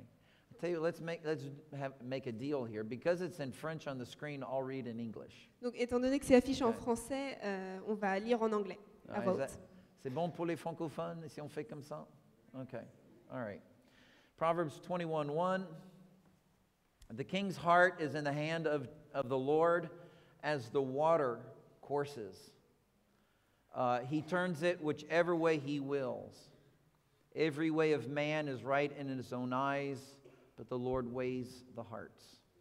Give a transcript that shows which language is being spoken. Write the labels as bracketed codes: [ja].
[en] I tell you, let's make a deal here. Because it's in French on the screen, I'll read in English. [fr] Donc, étant donné que c'est affiché en français, on va lire en anglais. C'est bon pour les francophones si on fait comme ça? [en] Okay. All right. Proverbs 21:1. The king's heart is in the hand of the Lord as the water courses. He turns it whichever way he wills. Every way of man is right in his own eyes, but the Lord weighs the hearts.